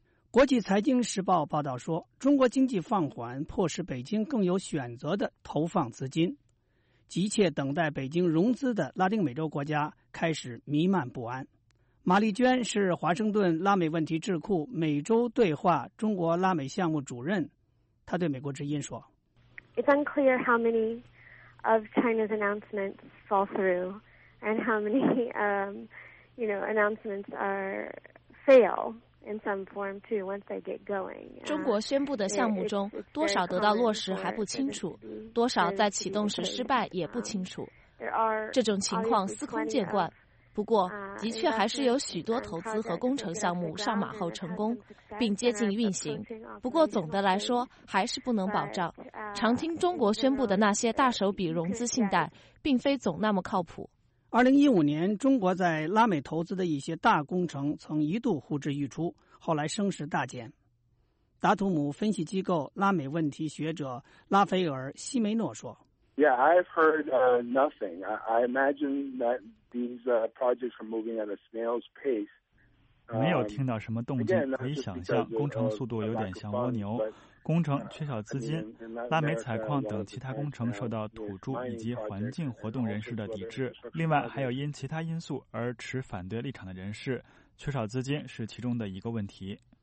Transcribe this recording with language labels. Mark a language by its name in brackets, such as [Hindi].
[Chinese] 国际财经时报报道说，中国经济放缓迫使北京更有选择地投放资金，急切等待北京融资的拉丁美洲国家开始弥漫不安。马丽娟是华盛顿拉美问题智库美洲对话中国拉美项目主任，她对美国之音说 [English] It's unclear how many of China's announcements fall through and how many announcements fail in some form too once they get going. [Chinese] 中国宣布的项目中多少得到落实还不清楚，多少在启动时失败也不清楚，这种情况司空见惯。不过的确还是有许多投资和工程项目上马后成功并接近运行，不过总的来说还是不能保障。常听中国宣布的那些大手笔融资信贷并非总那么靠谱。 2015年中国在拉美投资的一些大工程曾一度呼之欲出，后来声势大减。达图姆分析机构拉美问题学者拉斐尔·西梅诺说 [English] Yeah, I've heard nothing. I imagine that these projects are moving at a snail's pace. [Chinese] 没有听到什么动静，可以想象工程速度有点像蜗牛。工程缺少资金，拉美采矿等其他工程受到土著以及环境活动人士的抵制，另外还有因其他因素而持反对立场的人士，缺少资金是其中的一个问题。